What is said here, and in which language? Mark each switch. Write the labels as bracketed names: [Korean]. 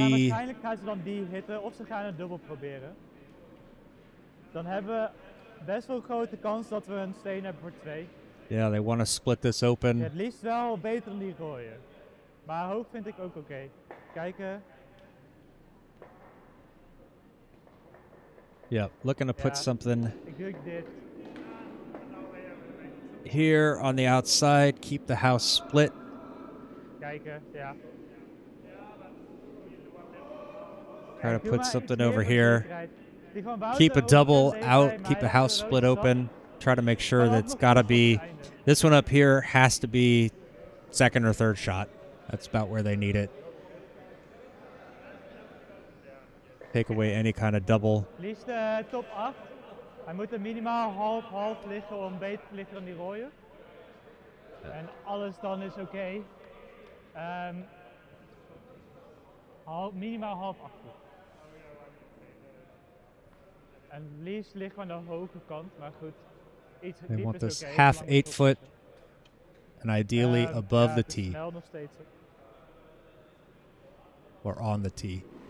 [Dutch] Waarschijnlijk gaan ze dan die hitten of ze gaan een dubbel proberen. Dan hebben we best wel grote kans dat we een steen hebben voor twee. [English] Yeah, they want to split this open. [Dutch] Het liefst wel beter niet gooien. Maar hoog vind ik ook oké. Kijken. [English] Yeah, looking to put something here on the outside, keep the house split. [Dutch] Kijken, yeah. [English] Try to put something over here. Keep a double out, keep the house split open. Try to make sure that's got to be, this one up here has to be second or third shot. That's about where they need it. Take away any kind of double. [Dutch] Liefst top 8. Hij moet er minimaal half liggen om beter te liggen dan die rode. En alles dan is oké. Minimaal half 8. En liefst liggen we aan de hoge kant, maar goed. Iets [English] they want this half 8 foot and ideally above the tee. Or on the tee.